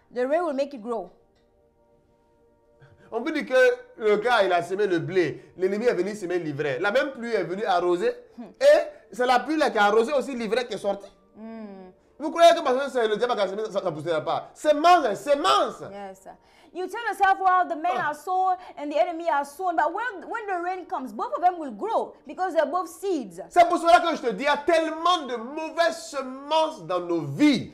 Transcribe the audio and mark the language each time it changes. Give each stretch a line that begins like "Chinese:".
English: The rain will make it grow.
French: On peut dire que le gars il a semé le blé, l'ennemi est venu semer l'ivraie. La même pluie est venue arroser et c'est la pluie là qui a arrosé aussi l'ivraie qui est sortie. Mm. Vous croyez que parce que c'est le diable qui a semé ça ne poussera pas? Semence, semence.
English: Yes. You tell yourself, well, the men are sown and the enemy are sown. But when the rain comes, both of them will grow because they're both seeds.
French: C'est pour cela que je te dis, il y a tellement de mauvaises semences dans nos vies.